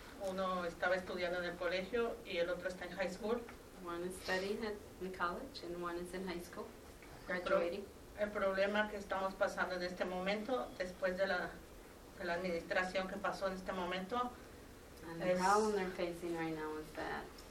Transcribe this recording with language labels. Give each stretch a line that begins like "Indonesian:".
Spanish: Uno estaba estudiando en el colegio y el otro está en high school.
English: One is studying at the college and one is in high school, graduating.
Spanish: El problema que estamos pasando en este momento, después de la administración que pasó en este momento,
English: and the problem they're facing right now is that.